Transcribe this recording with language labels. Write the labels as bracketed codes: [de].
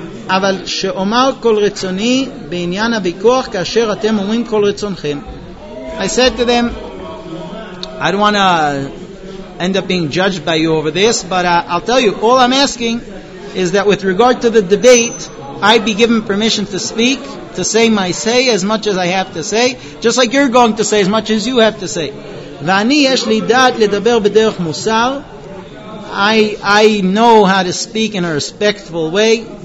[he] אבל שאומר כל רצוני בעניין הביקוח כאשר אתם אומרים כל רצונכם. [en] I said to them, I don't want to end up being judged by you over this, but I'll tell you, all I'm asking is that with regard to the debate, I be given permission to speak, to say my say as much as I have to say, just like you're going to say as much as you have to say. [he] ואני יש לי דעת לדבר בדרך מוסר. [en] I know how to speak in a respectful way.